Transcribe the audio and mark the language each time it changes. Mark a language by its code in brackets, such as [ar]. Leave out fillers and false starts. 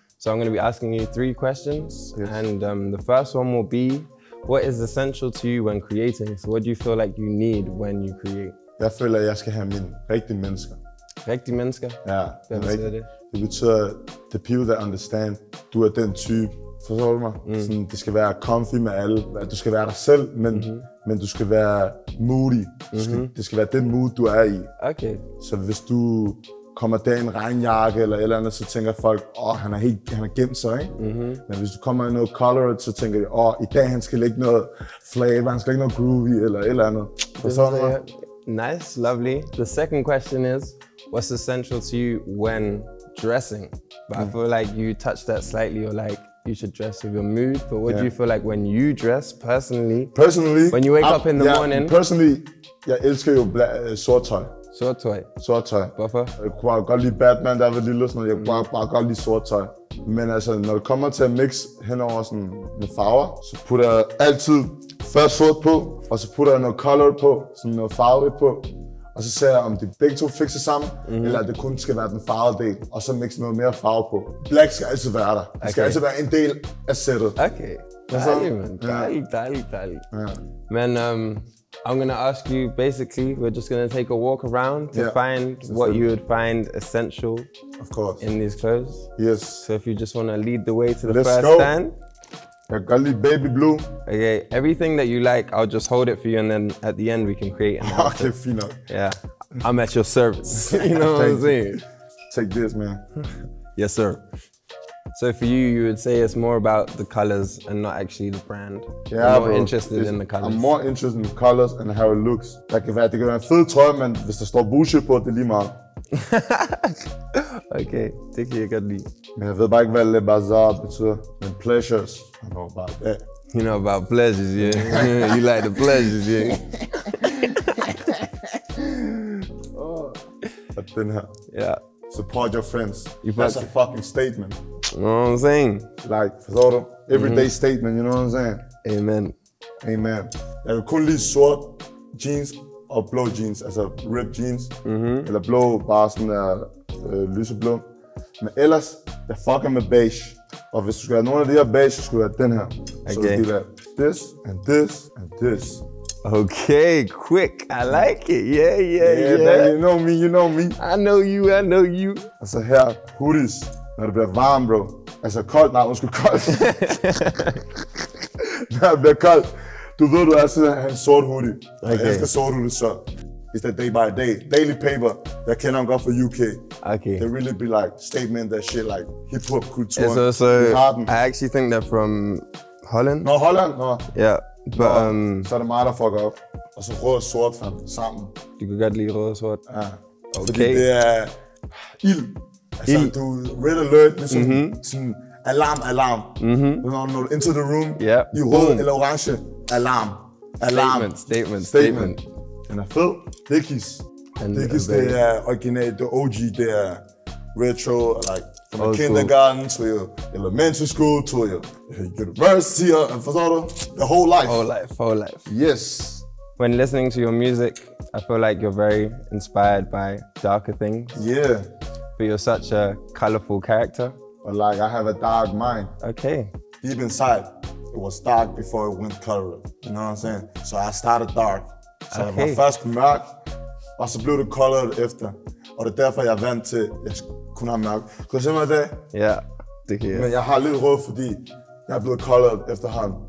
[en] So I'm going to be asking you 3 questions. Yes. And the first one will be, what is essential to you when creating? So what do you feel like you need when you create? [da] Jeg føler, at jeg skal have mine rigtige mennesker. Rigtige mennesker? Ja. Hvem siger det? Det betyder, [en] the people that understand, [da] du er den type. Forstår du mig? Mm. Sådan, det skal være comfy med alle. Du skal være dig selv, men, men du skal være moody. Det skal være den mood, du er i. Okay. Så hvis du kommer der i en regnjakke eller et eller andet, så tænker folk, åh, han er gemt sig, ikke? Men hvis du kommer i noget colored, så tænker de, åh, i dag han skal lægge noget flavor, han skal lægge noget groovy eller et eller andet. Forstår du mig? [en] Nice, lovely. The second question is, what's essential to you when dressing? But I feel like you touched that slightly, or like you should dress with your mood. But what do you feel like when you dress personally? Personally? When you wake up in the morning? [da] Personally, jeg elsker jo sort tøj. Sort tøj? Sort tøj. Hvorfor? Jeg kunne godt lide Batman, der var lille og sådan noget. Jeg kunne bare godt lide sort tøj. Men altså, når det kommer til at mix henover sådan med farver, så putter jeg altid først sort på, og så putter jeg noget color på, sådan noget farvet på. Og så ser jeg, om de begge to fikser sammen, eller at det kun skal være den farvede del, og så mixe noget mere farve på. Black skal altid være der. Det skal altid være en del af sættet. Okay. Dejligt. Ja. [en] Men I'm gonna ask you, basically, we're just gonna take a walk around to find what you would find essential of course. In these clothes. Yes. So if you just wanna lead the way to the first stand. [da] Jeg kan lide baby blue. [en] Okay, everything that you like, I'll just hold it for you, and then at the end we can create an answer. Okay, fino. Yeah, I'm at your service. You know what I'm saying? Take this, man. Yes, sir. So for you, you would say it's more about the colors and not actually the brand. Yeah, you're more bro. Interested in the colors. I'm more interested in the colors and how it looks. [da] Det kan være en fed trøje, men hvis der står bullshit på, det er lige meget. Okay, det kan jeg godt lide. Men jeg ved bare ikke, hvad Le Bazaar betyder. [en] Men pleasures, I know about that. You know about pleasures, yeah. You like the pleasures, yeah. [da] Oh. Og den her. [en] Yeah. Support your friends. That's a fucking statement. You know what I'm saying? Like, [da] forstår du? [en] Everyday statement, you know what I'm saying? Amen. [da] Amen. Jeg kan kun lide sort jeans og blå jeans, altså ripped jeans. Eller blå, bare sådan der lyseblå. Men ellers, jeg fucker med beige. Og hvis du skulle have nogle af de her beige, så skulle du have den her. Okay. Så skulle du have [en] this, and this, and this. Okay, quick. I like it. Yeah. Man, you know me, you know me. I know you. [da] Og så her, hoodies. Når det bliver varmt, bro. Altså koldt, nej, undskyld koldt. Når det bliver koldt. Du ved, du er sådan en sort hoodie. Okay. Jeg elsker sort hoodie, så. [en] It's that day by day. Daily paper. [da] Jeg kender ham godt fra UK. Okay. [en] They really be like statement that shit, like hip-hop kultur. Yeah, so, I actually think they're from Holland. No, Holland? No. Yeah. But, no. [da] Så er det mig, der fucker op. Og så rød og sort fam, sammen. Du kan godt lide rød og sort. Ja. Okay. Fordi det er ild. Altså, ild. Du er red alert, ligesom sådan alarm. Når du [en] enter the room, [da] i rød eller orange. Alarm. Statement. Den er fed. Dickies. Dickies, det er original, det er OG, det er retro, [en] like from old kindergarten school. To your elementary school, to your university, and for sort of the whole life. Whole life. Yes. When listening to your music, I feel like you're very inspired by darker things. Yeah. But you're such a colorful character. But like, I have a dark mind. Okay. Deep inside. It was dark before it went colored. You know what I'm saying? So I started dark. [da] Så okay. Jeg var først mørk, og så blev det koldere efter. Og det er derfor, jeg vant til, at jeg kunne have mørk. Kan du se mig det? Ja, det kan jeg. Men jeg har lidt rød, fordi jeg er blevet koldere efterhånden.